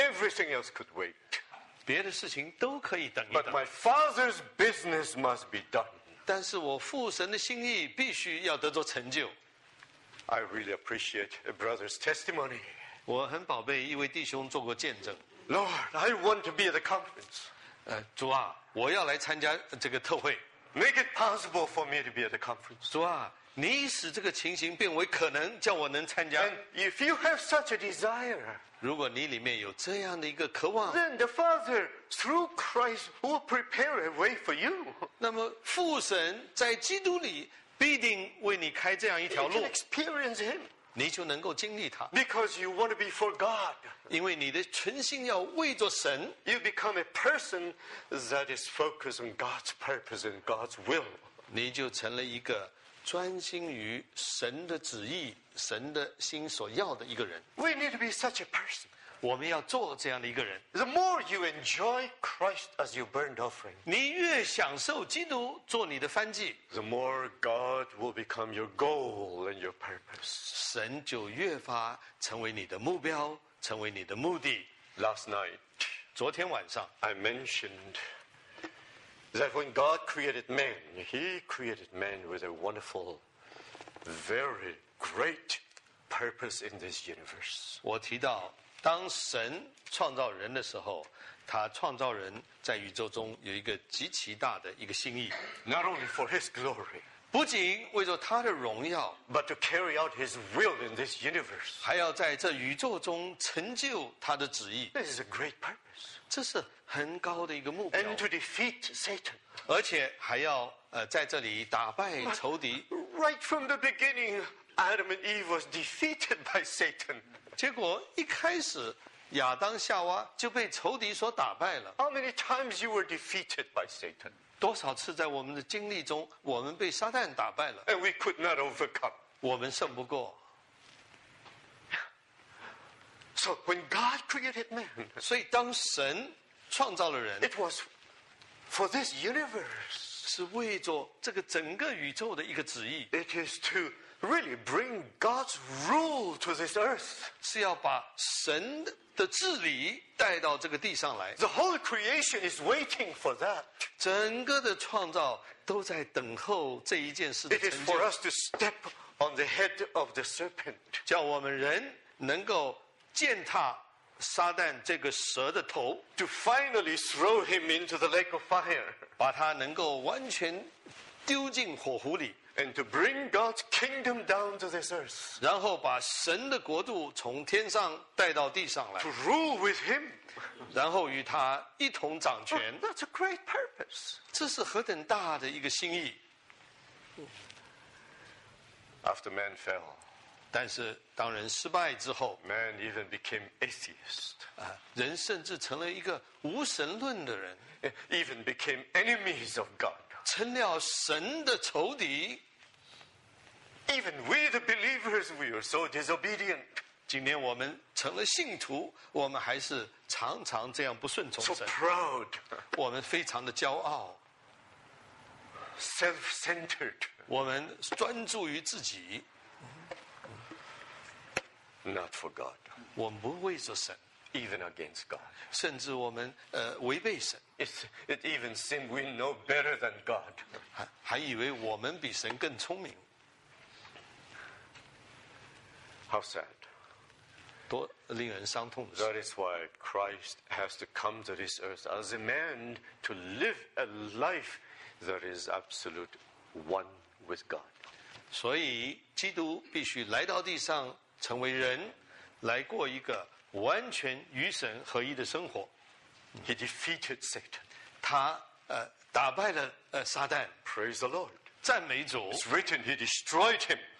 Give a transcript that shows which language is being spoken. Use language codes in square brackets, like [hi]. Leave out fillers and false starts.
[en] Everything else could wait. [zh] 别的事情都可以等一等。 [en] But my Father's business must be done. [zh] 但是我父神的心意必须要得着成就。 [en] I really appreciate a brother's testimony. [zh] 我很宝贝一位弟兄做过见证。 [en] Lord, I want to be at the conference. [zh] 主啊，我要来参加这个特会。 [en] Make it possible for me to be at the conference. [zh] 主啊，你使这个情形变为可能，叫我能参加。 [en] And if you have such a desire, [zh] 如果你里面有这样的一个渴望， [en] then the Father through Christ will prepare a way for you. [zh] 那么父神在基督里必定为你开这样一条路。 [en] You can experience Him. [zh] 你就能够经历他。 [en] Because you want to be for God. [zh] 因为你的存心要为着神。 [en] You become a person that is focused on God's purpose and God's will. [zh] 你就成了一个专心于神的旨意、神的心所要的一个人。 [en] We need to be such a person. [zh] 我们要做这样的一个人。 [en] The more you enjoy Christ as your burnt offering, [zh] 你越享受基督做你的燔祭， [en] the more God will become your goal and your purpose. [zh] 神就越发成为你的目标，成为你的目的。 [en] Last night, [zh] 昨天晚上 [en] I mentioned. That when God created man, He created man with a wonderful, very great purpose in this universe. [zh] 我提到，当神创造人的时候，他创造人在宇宙中有一个极其大的一个心意。 [en] Not only for His glory, [zh] 不仅为着他的荣耀 [en] ，but to carry out His will in this universe. [zh] 还要在这宇宙中成就他的旨意。 [en] This is a great purpose. [zh] 这是。很高的一个目标 [en] ，and to defeat Satan， [zh] 而且还要在这里打败仇敌。 [en] Right from the beginning, Adam and Eve was defeated by Satan. [zh] 结果一开始，亚当夏娃就被仇敌所打败了。 [en] How many times you were defeated by Satan？ [zh] 多少次在我们的经历中，我们被撒旦打败了 [en] ？And we could not overcome. [zh] 我们胜不过。 [en] So when God created man， [zh] 所以当神创造了人 [en] It was for this universe. [zh] 是为着这个整个宇宙的一个旨意 [en] It is to really bring God's rule to this earth. [zh] 是要把神的治理带到这个地上来 [en] The whole creation is waiting for that. [zh] 整个的创造都在等候这一件事的成就 [en] It is for us to step on the head of the serpent. [zh] 叫我们人能够践踏撒旦这个蛇的头 [en] ，to finally throw him into the lake of fire， [zh] 把他能够完全丢进火湖里 [en] ，and to bring God's kingdom down to this earth， [zh] 然后把神的国度从天上带到地上来 [en] ，to rule with him， [zh] 然后与他一同掌权。 [en] Well, that's a great purpose， [zh] 这是何等大的一个心意。 [en] After man fell。 [zh] 但是当人失败之后 [en] Man even became atheist [zh] 人甚至成了一个无神论的人 [en] Even became enemies of God [zh] 成了神的仇敌 [en] Even we the believers we are so disobedient [zh] 今天我们成了信徒我们还是常常这样不顺从神 [en] So proud [zh] 我们非常的骄傲 [en] Self-centered [zh] 我们专注于自己 [en] Not for God. [zh] 我们不为着神 [en] Even against God. [zh] 甚至我们违背神 [en] It even seems we know better than God. [zh] 还以为我们比神更聪明 [en] How sad. [zh] 多令人伤痛的事 [en] That is why Christ has to come to this earth as a man to live a life that is absolute one with God. [zh] 所以基督必须来到地上成为人，来过一个完全与神合一的生活。 [en] He defeated Satan. [zh] 他打败了撒旦。 [en] Praise the Lord. [zh] 赞美主。 [en] It's written he destroyed him.